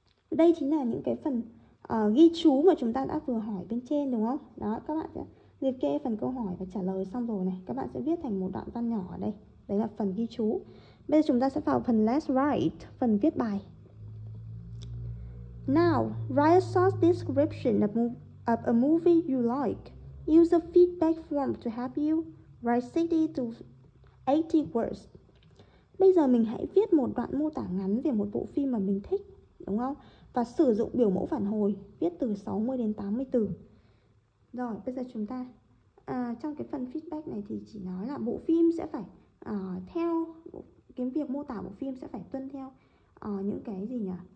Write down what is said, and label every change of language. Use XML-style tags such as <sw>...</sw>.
<vi>Đây chính là những cái phần ghi chú mà chúng ta đã vừa hỏi bên trên, đúng không? Đó, các bạn sẽ liệt kê phần câu hỏi và trả lời xong rồi này. Các bạn sẽ viết thành một đoạn văn nhỏ ở đây. Đấy là phần ghi chú. Bây giờ chúng ta sẽ vào phần</vi> <en>let's write,</en> <vi>phần viết bài.</vi> <en>Now, write a short description of a movie you like. Use a feedback form to help you write 60 to 80 words.</en> <vi>Bây giờ mình hãy viết một đoạn mô tả ngắn về một bộ phim mà mình thích, đúng không? Và sử dụng biểu mẫu phản hồi, viết từ 60 đến 80 từ. Rồi, bây giờ chúng ta trong cái phần feedback này thì chỉ nói là bộ phim sẽ phải theo cái việc mô tả bộ phim sẽ phải tuân theo những cái gì nhỉ?</vi>